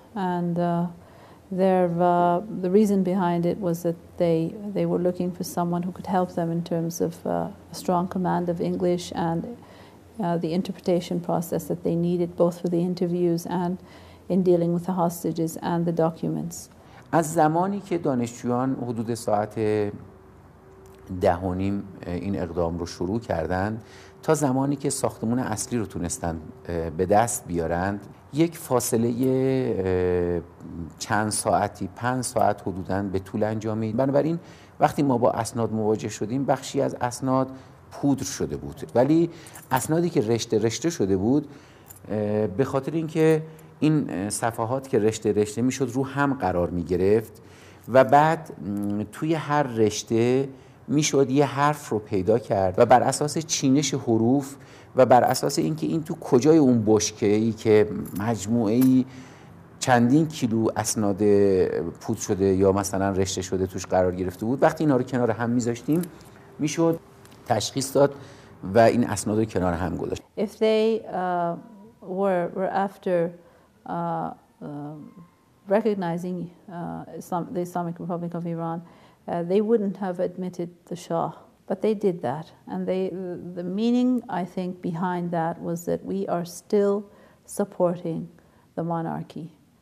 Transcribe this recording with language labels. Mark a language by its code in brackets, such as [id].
[en] And the reason behind it was that they were looking for someone who could help them in terms of a strong command of English and the interpretation process that they needed, both for the interviews and in dealing with the hostages and the documents. [fa] از زمانی که دانشجویان حدود ساعت 10.5 این اقدام رو شروع کردن تا زمانی که ساختمان اصلی رو تونستن به دست بیارند یک فاصله چند ساعتی 5 ساعت حدوداً به طول انجامید. بنابراین وقتی ما با اسناد مواجه شدیم بخشی از اسناد پودر شده بود، ولی اسنادی که رشته رشته شده بود به خاطر اینکه این صفحات که رشته رشته میشد رو هم قرار می گرفت و بعد توی هر رشته میشد یه حرف رو پیدا کرد و بر اساس چینش حروف و بر اساس اینکه این تو کجای اون بشکه‌ای که مجموعه‌ای چندین کیلو اسناد پودر شده یا مثلا رشته شده توش قرار گرفته بود، وقتی اینا رو کنار هم میذاشتیم میشد تشخیص داد و این اسناد رو کنار هم گذاشت. [en] If they were after recognizing the Islamic Republic of Iran, they wouldn't have admitted the Shah. But they did that. And the meaning, I think, behind that was that we are still supporting the monarchy.